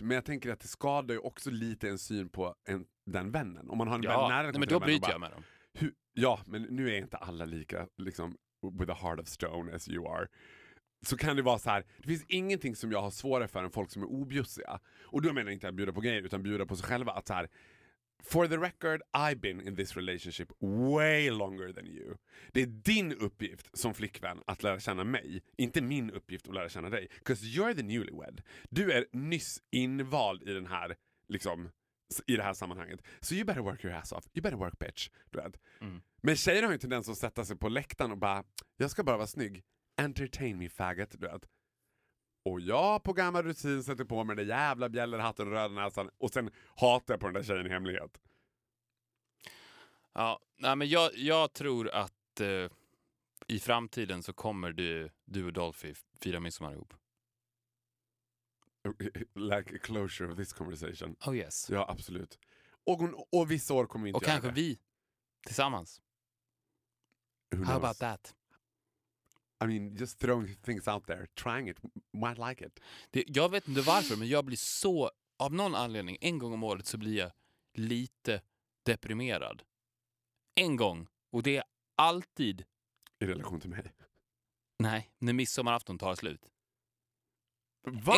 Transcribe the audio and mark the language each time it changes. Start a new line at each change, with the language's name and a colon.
Swedish: Men jag tänker att det skadar ju också lite en syn på den vännen. Om man har en vän nära... Nej, men då bryter jag med dem. Ja, men nu är inte alla lika liksom,
English: with a heart of stone as you are.
Swedish: Så kan det vara så här, det finns ingenting som jag har svårare för än folk som är objussiga. Och då menar jag inte att bjuda på grejer, utan bjuda på sig själva att så här...
English: For the record, I've been in this relationship way longer than you.
Swedish: Det är din uppgift som flickvän att lära känna mig. Inte min uppgift att lära känna dig.
English: Because you're the newlywed.
Swedish: Du är nyss invald i den här, liksom, i det här sammanhanget.
English: So you better work your ass off. You better work, bitch.
Swedish: Du vet.
English: Mm.
Swedish: Men tjejer har ju tendens att sätta sig på läktaren och bara, jag ska bara vara snygg.
English: Entertain me, faggot.
Swedish: Du vet. Och jag på gammal rutin sätter på mig den jävla bjällerhatten och röda näsan. Och sen hatar jag på den där tjejen i hemlighet. Ja, nej, men jag tror att i framtiden så kommer du och Dolphy fira midsommar ihop.
English: Like a closure of this conversation. Oh yes.
Swedish: Ja, absolut. Och vissa år kommer vi inte göra. Och kanske vi tillsammans.
English: Who knows? About that? I mean, just throwing things out there, trying it, might like it.
Swedish: Det, jag vet inte varför, men jag blir så, av någon anledning, en gång om året så blir jag lite deprimerad. En gång, och det är alltid... I relation till mig? Nej, när midsommarafton tar slut. Var?